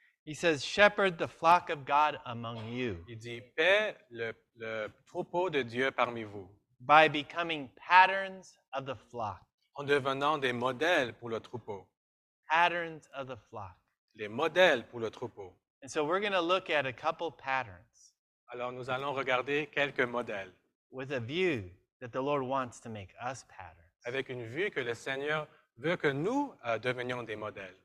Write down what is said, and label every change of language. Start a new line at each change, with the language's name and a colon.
English: He says, shepherd the flock of God among you.
French: Il dit, paix le troupeau de Dieu parmi vous.
English: By becoming patterns of the flock.
French: En devenant des modèles pour le troupeau.
English: Patterns of the flock.
French: Les modèles pour le troupeau.
English: And so we're going to look at a couple patterns.
French: Alors nous allons regarder quelques modèles.
English: With a view that the Lord wants to make us patterns.
French: Avec une vue que le Seigneur veut que nous devenions des modèles.